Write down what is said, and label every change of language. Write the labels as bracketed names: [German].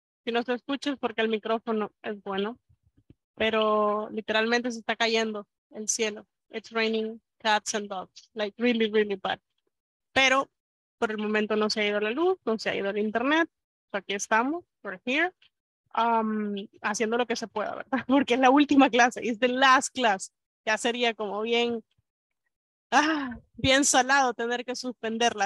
[Spanish] Si no se escucha es porque el micrófono es bueno, pero literalmente se está cayendo el cielo. [English] It's raining cats and dogs, like really, really bad. [Spanish] Pero por el momento no se ha ido la luz, no se ha ido el internet. So aquí estamos, [English] we're here, [Spanish] haciendo lo que se pueda, ¿verdad? Porque es la última clase, [English] it's the last class. [Spanish] Ya sería como bien, bien salado tener que suspenderla.